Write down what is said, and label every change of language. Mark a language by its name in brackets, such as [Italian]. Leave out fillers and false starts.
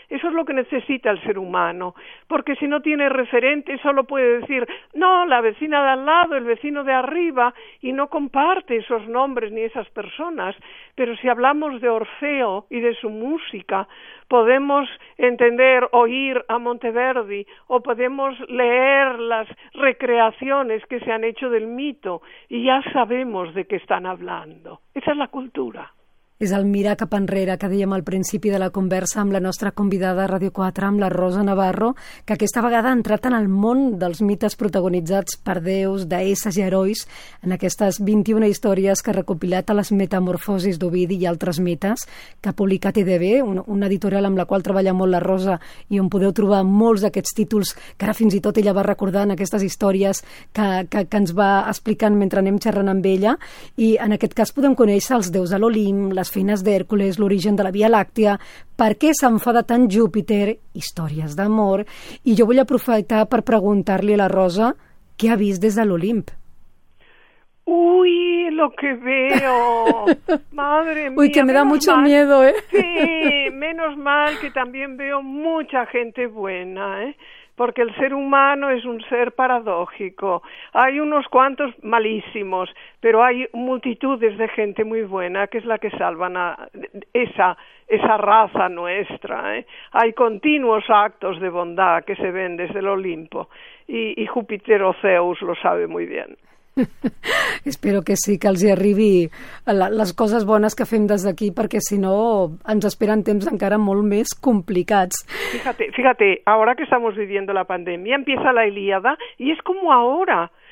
[Spanish] Eso es lo que necesita el ser humano, porque si no tiene referente solo puede decir, no, la vecina de al lado, el vecino de arriba, y no comparte esos nombres ni esas personas. Pero si hablamos de Orfeo y de su música, podemos entender, oír a Monteverdi, o podemos leer las recreaciones que se han hecho del mito y ya sabemos de qué están hablando. Esa es la cultura. [Catalan] És el mirar cap enrere que dèiem al principi de la conversa amb la nostra convidada a Ràdio 4, amb la Rosa Navarro, que aquesta vegada ha entrat en el món dels mites protagonitzats per déus, deesses i herois en aquestes 21 històries que ha recopilat a les Metamorfosis d'Ovidi i altres mites que ha publicat EDB, una editorial amb la qual treballa molt la Rosa i on podeu trobar molts d'aquests títols que ara fins i tot ella va recordar en aquestes històries que ens va explicant mentre anem xerrant amb ella. I en aquest cas podem conèixer els déus de l'Olimp, les feines d'Hèrcules, l'origen de la Via Làctia, per què s'enfada tant Júpiter, històries d'amor, i jo vull aprofitar per preguntar-li a la Rosa què ha vist des de l'Olimp. [Spanish] Uy, lo que veo. Madre mía. Uy, que me da mucho miedo, ¿eh? Sí, menos mal que también veo mucha gente buena, ¿eh? Porque el ser humano es un ser paradójico. Hay unos cuantos malísimos, pero hay multitudes de gente muy buena que es la que salvan a esa raza nuestra, ¿eh? Hay continuos actos de bondad que se ven desde el Olimpo y Júpiter o Zeus lo sabe muy bien. [Catalan] Espero que sí, que els hi arribi les coses bones que fem des d'aquí, perquè si no ens esperen temps encara molt més complicats. [Spanish] Fíjate, ahora que estamos viviendo la pandemia, empieza la Ilíada y es como ahora.